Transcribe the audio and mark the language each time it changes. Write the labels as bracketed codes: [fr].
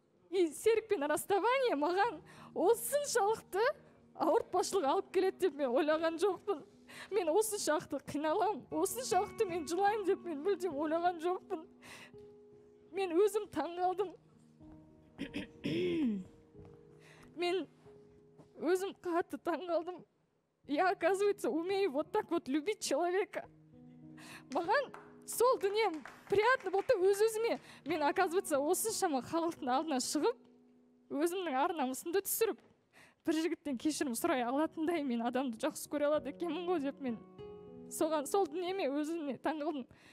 [kk] И серікпен расставание маған осыншалықты ауыртпашылық алып келеді деп мен ойлаған жоқпын. Мен осыншалықты қиналам, осыншалықты мен жылайым деп мен мүлдем ойлаған жоқпын. Мен өзім таңғалдым. Мен өзім қатты таңғалдым. [ru] Я, оказывается, умею вот так вот любить человека. [kk] Маған сол дүние приятны болды өз-өзіме. Мен, оказывается, осыншама халықтың алдына шығып, өзімнің арнамысымды түсіріп, бір жігіттен кешірім сұрай алатындай мен адамды жақсы көре алады екенмін ғой деп мен соған сол дүниеме өзіме таңғалдым.